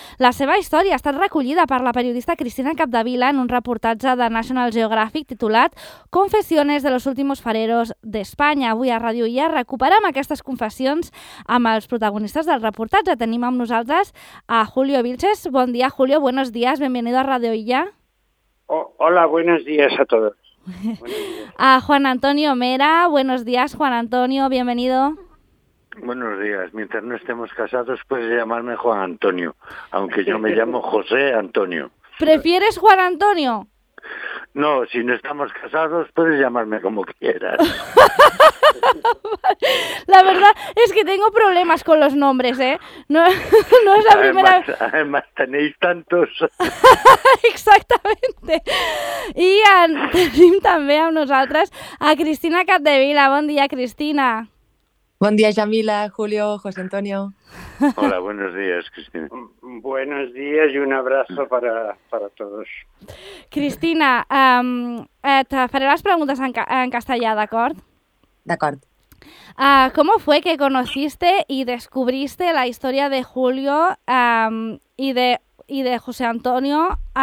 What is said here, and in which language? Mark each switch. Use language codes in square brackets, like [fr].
[ca] La seva història ha estat recollida per la periodista Cristina Capdevila en un reportatge de National Geographic titulat Confessiones de los últimos fareros d'Espanya. Avui a Ràdio IA recuperem aquestes confessions amb els protagonistes del reportatge. Tenim amb nosaltres a Julio Vilches. Bon dia, [es] Julio. Buenos días. Bienvenido a Ràdio IA. Hola, buenos días a todos. [ca] A Juan Antonio Mera. [es] Buenos días, Juan Antonio. Bienvenido. Buenos días. Mientras no estemos casados, puedes llamarme Juan Antonio, aunque yo me llamo José Antonio. ¿Prefieres Juan Antonio? No, si no estamos casados, puedes llamarme como quieras. La verdad es que tengo problemas con los nombres, ¿eh? No es la además, primera vez. Además, tenéis tantos. Exactamente. [ca] Y tenim també amb nosaltres a Cristina Capdevila. Bon dia, Cristina. Bon dia, Jamila, Julio, José Antonio. [es] Hola, buenos días, Cristina. Buenos días y un abrazo para todos. [ca] Cristina, et faré les preguntes en castellà, d'acord? D'acord. [es] ¿Cómo fue que conociste y descubriste la historia de Julio y de José Antonio?